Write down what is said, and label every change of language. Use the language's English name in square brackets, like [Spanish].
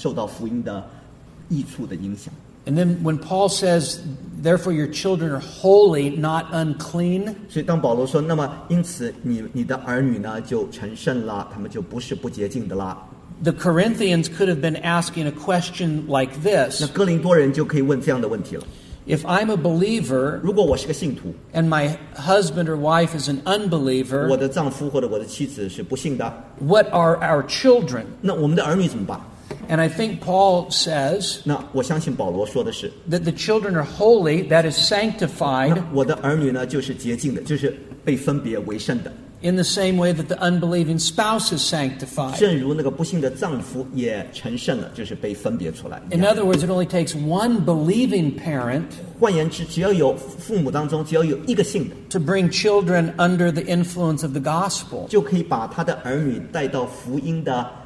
[Chinese] 所以这里成圣的意思呢，我相信指的是受到福音的影响之下，就是分别出来，受到福音的益处的影响。 [English] And then when Paul says, therefore your children are holy, not unclean. [Chinese] 所以当保罗说，那么因此你的儿女呢，就成圣了，他们就不是不洁净的了。 [English] The Corinthians could have been asking a question like this. [Chinese] 那哥林多人就可以问这样的问题了。 [English] If I'm a believer, [Chinese] 如果我是个信徒, [English] and my husband or wife is an unbeliever, [Chinese] 我的丈夫或者我的妻子是不信的, [English] what are our children? [Chinese] 那我们的儿女怎么办? [English] And I think Paul says [Chinese] 那我相信保罗说的是, [English] that the children are holy, that is sanctified. [Chinese] 那我的儿女呢,就是洁净的,就是被分别为圣的。 [English] In the same way that the unbelieving spouse is sanctified. [Chinese] 正如那个不幸的丈夫也成圣了,就是被分别出来。 [English] In other words, it only takes one believing parent [Chinese] 换言之,只要有父母当中,只要有一个信的, [English] to bring children under the influence of the gospel. [Chinese] 就可以把他的儿女带到福音的